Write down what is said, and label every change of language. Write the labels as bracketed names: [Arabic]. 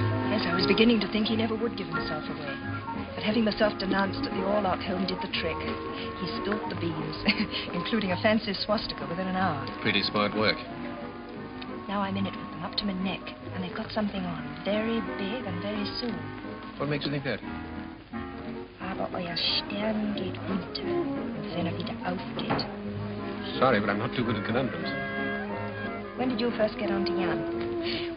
[English] Yes, I was beginning to think he never would give himself away. But having myself denounced at the Orlock home did the trick. He spilt the beans, including a fancy swastika within an hour. Pretty smart work. Now I'm in it with them, up to my neck, and they've got something on, very big and very soon. What makes you think that? [German] Aber euer Stern geht unter, wenn er wieder aufgeht. [English] Sorry, but I'm not too good at conundrums. When did you first get on to Jan?